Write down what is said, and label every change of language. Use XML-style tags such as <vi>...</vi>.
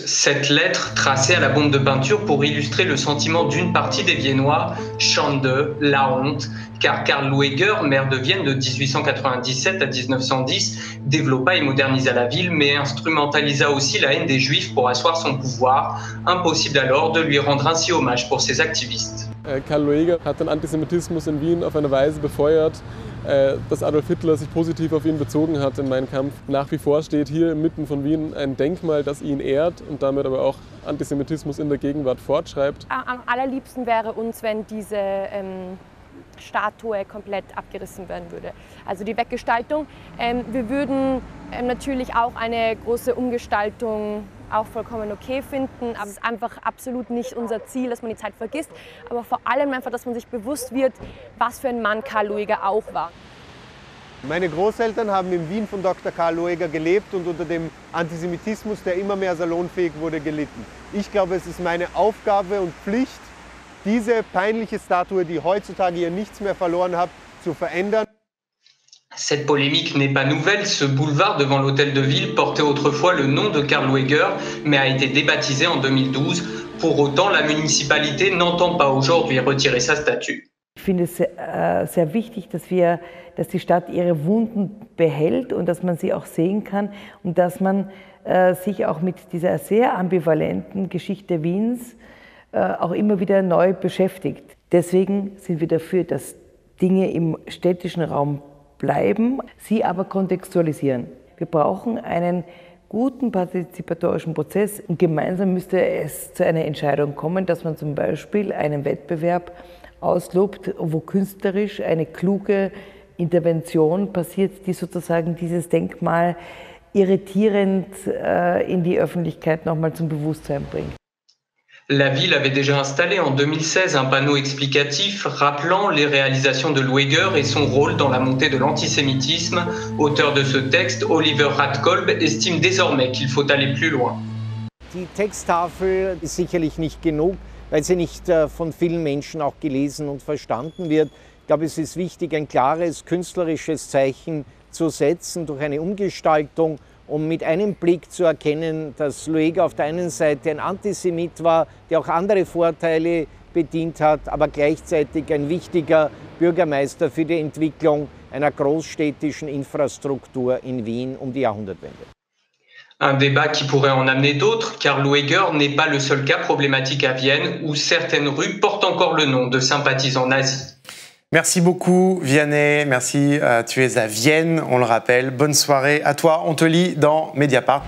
<fr>Cette lettre, tracée à la bombe de peinture pour illustrer le sentiment d'une partie des Viennois, Schande, la honte, car Karl Lueger, maire de Vienne de 1897 à 1910, développa et modernisa la ville, mais instrumentalisa aussi la haine des Juifs pour asseoir son pouvoir. Impossible alors de lui rendre ainsi hommage pour ses activistes.</fr> <de>Karl Lueger hat den Antisemitismus in Wien auf eine Weise befeuert, dass Adolf Hitler sich positiv auf ihn bezogen hat in Mein Kampf. Nach wie vor steht hier mitten von Wien ein Denkmal, das ihn ehrt und damit aber auch Antisemitismus in der Gegenwart fortschreibt. Am allerliebsten wäre uns, wenn diese Statue komplett abgerissen werden würde. Also die Weggestaltung. Wir würden natürlich auch eine große Umgestaltung auch vollkommen okay finden. Aber es ist einfach absolut nicht unser Ziel, dass man die Zeit vergisst. Aber vor allem einfach, dass man sich bewusst wird, was für ein Mann Karl Lueger auch war. Meine Großeltern haben in Wien von Dr. Karl Lueger gelebt und unter dem Antisemitismus, der immer mehr salonfähig wurde, gelitten. Ich glaube, es ist meine Aufgabe und Pflicht, diese peinliche Statue, die heutzutage ihr nichts mehr verloren hat, zu verändern.</de> <fr>Cette polémique n'est pas nouvelle. Ce boulevard devant l'hôtel de ville portait autrefois le nom de Karl Lueger, mais a été débaptisé en 2012. Pour autant, la municipalité n'entend pas aujourd'hui retirer sa statue.</fr> <de>Ich finde es sehr wichtig, dass die Stadt ihre Wunden behält und dass man sie auch sehen kann und dass man sich auch mit dieser sehr ambivalenten Geschichte Wiens auch immer wieder neu beschäftigt. Deswegen sind wir dafür, dass Dinge im städtischen Raum bleiben, sie aber kontextualisieren. Wir brauchen einen guten partizipatorischen Prozess. Und gemeinsam müsste es zu einer Entscheidung kommen, dass man zum Beispiel einen Wettbewerb auslobt, wo künstlerisch eine kluge Intervention passiert, die sozusagen dieses Denkmal irritierend in die Öffentlichkeit nochmal zum Bewusstsein bringt. La ville avait déjà installé en 2016 un panneau explicatif rappelant les réalisations de Lueger et son rôle dans la montée de l'antisémitisme. Auteur de ce texte, Oliver Radkolb estime désormais qu'il faut aller plus loin. Die Texttafel ist sicherlich nicht genug, weil sie nicht von vielen Menschen auch gelesen und verstanden wird. Ich glaube, es ist wichtig, ein klares künstlerisches Zeichen zu setzen durch eine Umgestaltung, um mit einem Blick zu erkennen, dass Lueger auf der einen Seite ein Antisemit war, der auch andere Vorteile bedient hat, aber gleichzeitig ein wichtiger Bürgermeister für die Entwicklung einer großstädtischen Infrastruktur in Wien um die Jahrhundertwende.</de> <fr>Un débat qui pourrait en amener d'autres, car Lueger n'est pas le seul cas problématique à Vienne, où certaines rues portent encore le nom de sympathisants nazis. Merci beaucoup, Vianney. Merci, tu es à Vienne, on le rappelle. Bonne soirée à toi, on te lit dans Mediapart.</fr>